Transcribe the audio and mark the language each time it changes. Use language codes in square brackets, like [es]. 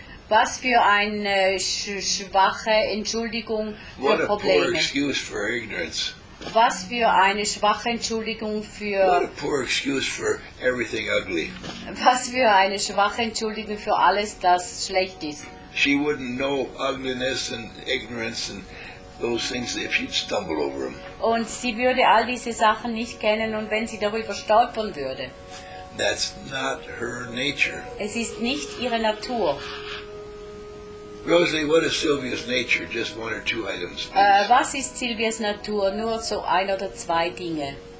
[de] Was für eine schwache Entschuldigung für [en] what a [de] Probleme. [en] Poor excuse for ignorance. [de] Was für eine schwache Entschuldigung für [en] what a poor excuse for everything ugly. [de] Was für eine schwache Entschuldigung für alles, das schlecht ist. [en] She wouldn't know ugliness and ignorance and those things if she'd stumble over them. [de] Und sie würde all diese Sachen nicht kennen und wenn sie darüber stolpern würde. [en] That's not her nature. [de] Es ist nicht ihre Natur. [en] Rosalie, what is Sylvia's nature? Just one or two items. [de] Was ist Sylvias Natur? Nur so ein oder zwei Dinge.